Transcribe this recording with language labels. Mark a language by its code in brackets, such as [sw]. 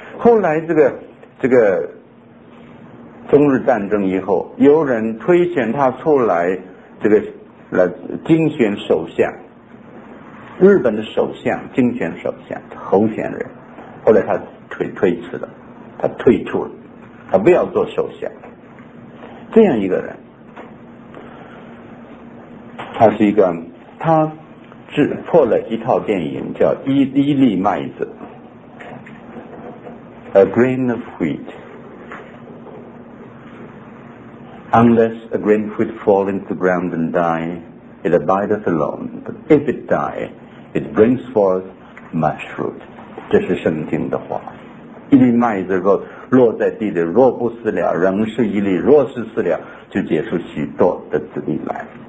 [zh] 后来这个中日战争以后，有人推选他出来，这个来竞选首相，日本的首相，竞选首相候选人，后来他推辞了，他退出了，他不要做首相。这样一个人，他是一个，他制作了一套电影叫《一粒麦子》，A Grain of Wheat。 [en] Unless a grain of wheat fall into the ground and die, it abideth alone. But if it die, it brings forth much fruit. [zh] 这是圣经的话。一粒麦子落在地里，若不死了，仍是一粒；若是死了，就结出许多的子粒来。